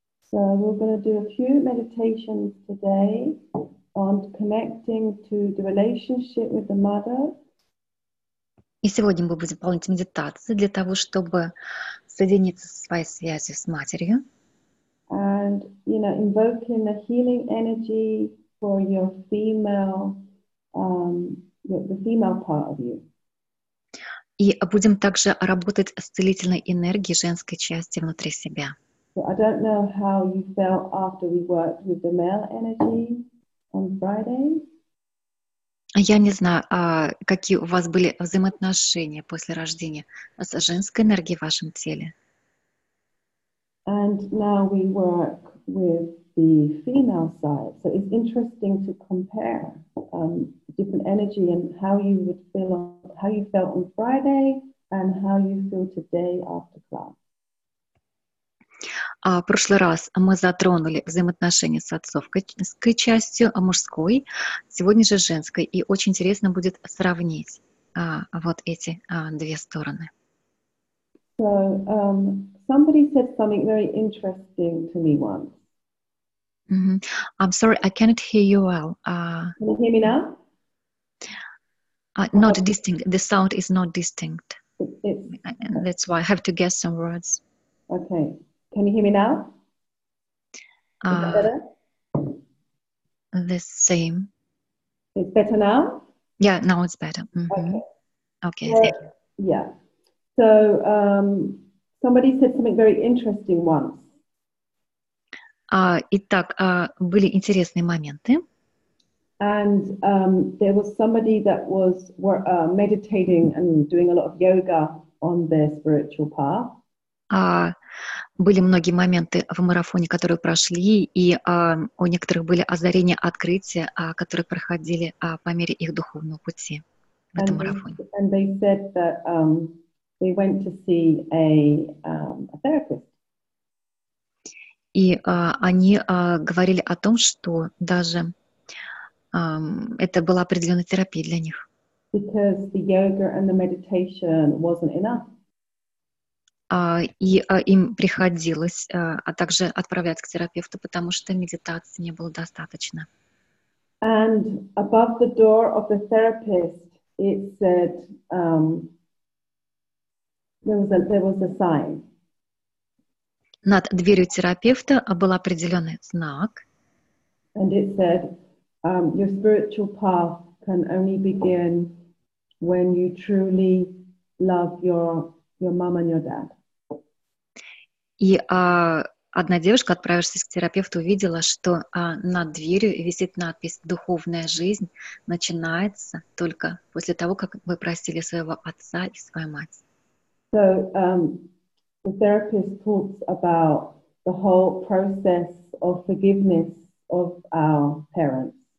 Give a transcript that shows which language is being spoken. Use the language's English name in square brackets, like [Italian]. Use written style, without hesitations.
[English] So we're going to do a few meditations today on connecting to the relationship with the mother. [Russian] И сегодня мы будем выполнять медитацию для того, чтобы соединиться со своей связью с матерью. [English] And, you know, invoking the healing energy for your female. The female part of you. [Russian] И будем также работать с целительной энергией женской части внутри себя. [English] So I don't know how you felt after we worked with the male energy on Friday. [Russian] Я не знаю, какие у вас были взаимоотношения после рождения с женской энергией в вашем теле. [English] And now we work with the female side. So it's interesting to compare different energy and how you would feel on, how you felt on Friday and how you feel today after class. [Russian] В прошлый раз мы затронули взаимоотношения с отцовской частью, мужской, сегодня же женской, и очень интересно будет сравнить вот эти две стороны. [English] So, somebody said something very interesting to me once. Mm-hmm. I'm sorry, I cannot hear you well. Can you hear me now? Not distinct. The sound is not distinct. It's, that's why I have to guess some words. Okay. Can you hear me now? Is that better? The same. It's better now? Yeah, now it's better. Mm-hmm. Okay. So somebody said something very interesting once. [Russian] Итак, были интересные моменты. [English] And there was somebody that was meditating and doing a lot of yoga on their spiritual path. [Russian] Были многие моменты в марафоне, которые прошли, и у некоторых были озарения, открытия, которые проходили по мере их духовного пути в этом марафоне. [English] And they said that they went to see a therapist. [Russian] И они говорили о том, что даже это была определенная терапия для них. [English] Because the yoga and the meditation wasn't enough. [Russian] им приходилось, а также отправлять к терапевту, потому что медитации не было достаточно. [English] And above the door of the therapist, it said, there was a sign. [Russian] Над дверью терапевта был определенный знак. [English] And it said, your spiritual path can only begin when you truly love your mom and your dad. [Russian] И одна девушка, отправившись к терапевту, увидела, что над дверью висит надпись «Духовная жизнь начинается только после того, как вы простили своего отца и свою мать». [English] So, the therapist talks about the whole process of forgiveness of our parents.